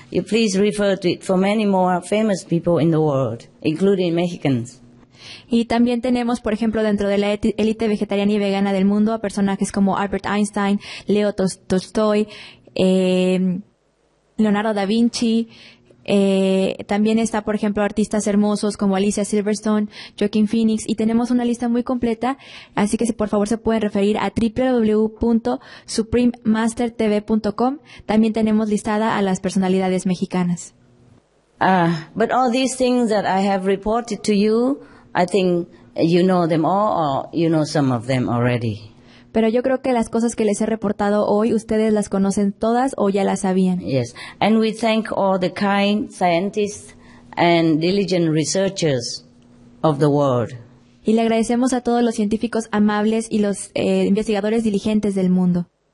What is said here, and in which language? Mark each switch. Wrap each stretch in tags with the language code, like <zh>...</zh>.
<en>You please refer to it for many more famous people in the world, including Mexicans.</en> <es>Y también tenemos, por ejemplo, dentro de la élite vegetariana y vegana del mundo, a personajes como Albert Einstein, Leo Tolstoy, Leonardo da Vinci. También está, por ejemplo, artistas hermosos como Alicia Silverstone, Joaquin Phoenix, y tenemos una lista muy completa, así que si por favor se pueden referir a www.supremeMasterTV.com. También tenemos listada a las personalidades mexicanas.</es> <en>But all these things that I have reported to you, I think you know them all, or you know some of them already.</en> <es>Pero yo creo que las cosas que les he reportado hoy, ustedes las conocen todas o ya las sabían.</es> <en>Yes, and we thank all the kind scientists and diligent researchers of the world.</en> <es>Y le agradecemos a todos los científicos amables y los investigadores diligentes del mundo.</es>